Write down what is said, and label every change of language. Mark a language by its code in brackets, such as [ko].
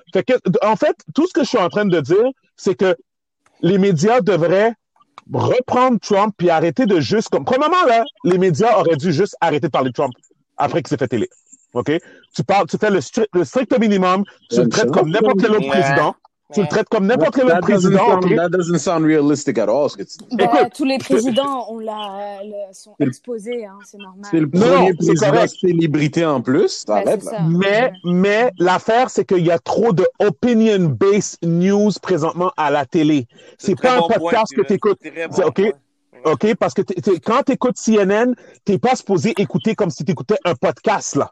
[fr] Fait que, en fait, tout ce que je suis en train de dire, c'est que les médias devraient reprendre Trump puis arrêter de juste comme, premièrement, là, les médias auraient dû juste arrêter de parler de Trump après qu'il s'est fait élire. OK? Tu fais le strict minimum, tu le traites comme n'importe quel autre président. Tu le traites comme n'importe quel autre président. [en] That doesn't sound realistic at all. [fr] Tous les présidents sont exposés, hein, c'est normal. C'est le premier président célébrité en plus. T'arrêtes, ouais, là. Mais l'affaire, c'est qu'il y a trop de opinion-based news présentement à la télé. C'est pas un podcast que t'écoutes. OK? OK, parce que quand t'écoutes CNN, t'es pas supposé écouter comme si t'écoutais un podcast, là.